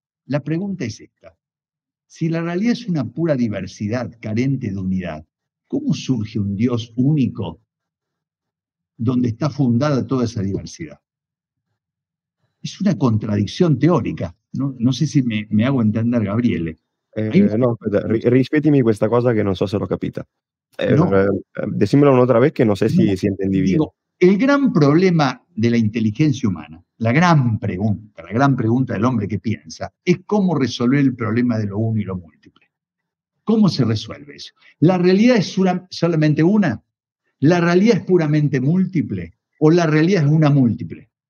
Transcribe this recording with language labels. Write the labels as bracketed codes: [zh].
[es] La pregunta es esta. Si la realidad es una pura diversidad carente de unidad, ¿cómo surge un Dios único donde está fundada toda esa diversidad? Es una contradicción teórica. No, no sé si me hago entender, Gabriele. [it] Rispetimi questa cosa che non so se l'ho capita. [es] Decímelo un'altra vez che non sé si entendí bien. Digo, el gran problema de la inteligencia humana, la gran pregunta del hombre que piensa, es cómo resolver el problema de lo uno y lo múltiple. ¿Cómo se resuelve eso? ¿La realidad es solamente una? ¿La realidad es puramente múltiple? ¿O la realidad es una múltiple?